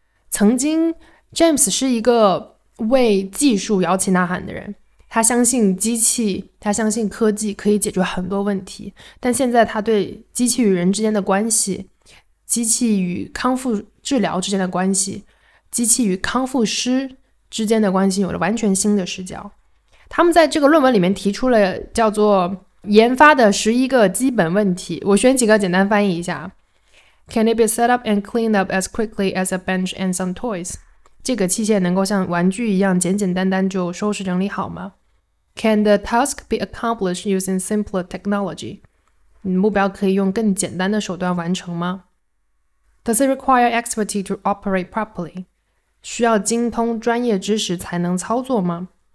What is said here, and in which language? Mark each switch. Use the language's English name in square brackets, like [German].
[Chinese] 曾经 James 是一个为技术摇旗呐喊的人，他相信机器，他相信科技可以解决很多问题，但现在他对机器与人之间的关系，机器与康复治疗之间的关系，机器与康复师之间的关系有了完全新的视角。他们在这个论文里面提出了叫做研发的11个基本问题，我选几个简单翻译一下。 [English] Can it be set up and cleaned up as quickly as a bench and some toys? [Chinese] 这个器械能够像玩具一样简简单单就收拾整理好吗？ [English] Can the task be accomplished using simpler technology? [Chinese] 目标可以用更简单的手段完成吗？ [English] Does it require expertise to operate properly? [Chinese] 需要精通专业知识才能操作吗？